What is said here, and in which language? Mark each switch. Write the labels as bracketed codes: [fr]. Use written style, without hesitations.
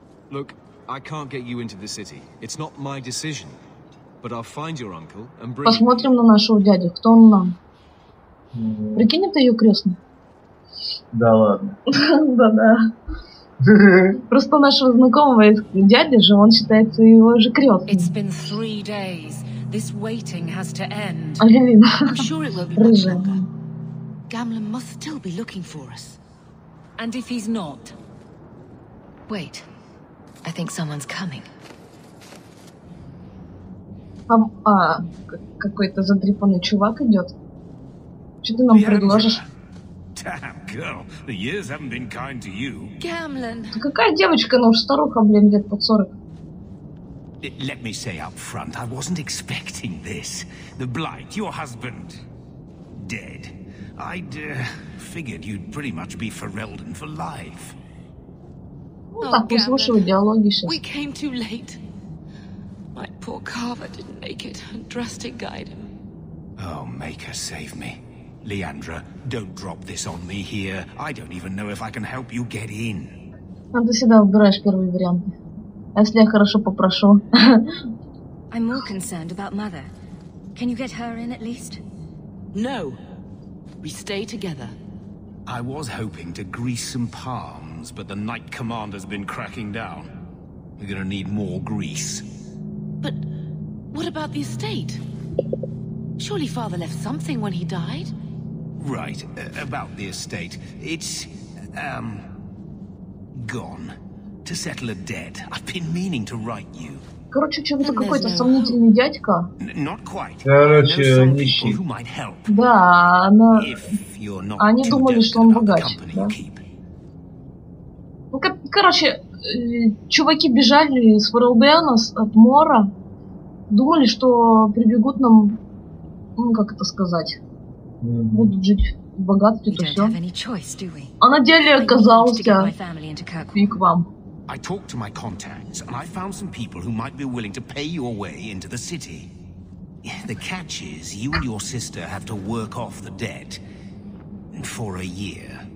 [en] Look, I can't get you into the city. It's not my decision. But I'll find your uncle and bring. [ru] Посмотрим на нашего дядю. Кто он нам? Прикинь, это ее крестный. Да ладно. Да-да. Просто нашего знакомого дядя же, он считается его же крестным. [en] It's been 3 days. This waiting has to end. I'm sure it will be much longer. Gamlin must still be looking for us. And if he's not... Wait. I think someone's coming. [ru] Какой-то задрипанный чувак идет. Что ты нам предложишь? [en] Damn, girl. The years haven't been kind to you. Gamlin. [ru] Ты какая девочка? Ну уж старуха, блин, лет под 40. [en] Let me say up front, I wasn't expecting this. The blight, your husband... dead. I'd, figured you'd pretty much be Ferelden for life. Oh, Gavin, we came too late. My poor Carver didn't make it, and Drastic guide him. Oh, Maker, save me. Leandra, don't drop this on me here. I don't even know if I can help you get in. [ru] Ты всегда выбираешь первый вариант. Если я хорошо попрошу. [en] I'm more concerned about mother. Can you get her in at least? No. We stay together. I was hoping to grease some palms, but the Knight Commander's been cracking down. We're gonna need more grease. But what about the estate? Surely father left something when he died? Right. About the estate. It's, gone. To settle a debt, I've been meaning to write you. [ru] Короче, чем-то какой-то сомнительный дядька. [en] Not quite. [ru] Короче, нищий. Да, она. Они думали, что он богач. Да? Ну, короче, чуваки бежали с Ферелдена, от Мора, думали, что прибегут нам, ну как это сказать, будут жить. Богатый, то все. А на деле оказался фиг вам. [en] I talked to my contacts, and I found some people who might be willing to pay your way into the city. The catch is, you and your sister have to work off the debt for a year.